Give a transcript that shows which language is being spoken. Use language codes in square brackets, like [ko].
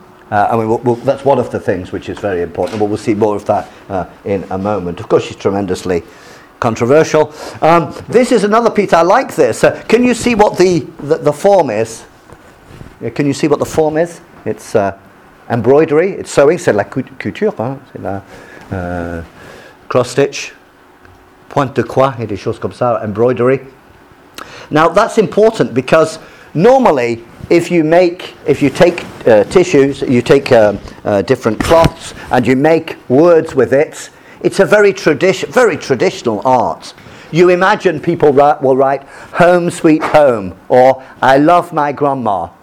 [en] That's one of the things which is very important. But we'll see more of that in a moment. Of course, she's tremendously controversial. This is another piece. I like this. Can you see what the form is? Yeah, can you see what the form is? It's... embroidery, it's sewing, c'est la couture, hein? [fr] C'est la cross-stitch, pointe de croix, et des choses comme ça, embroidery. [en] Now, that's important because normally if you take different cloths and you make words with it, it's a very traditional art. You imagine people will write, home sweet home, or I love my grandma.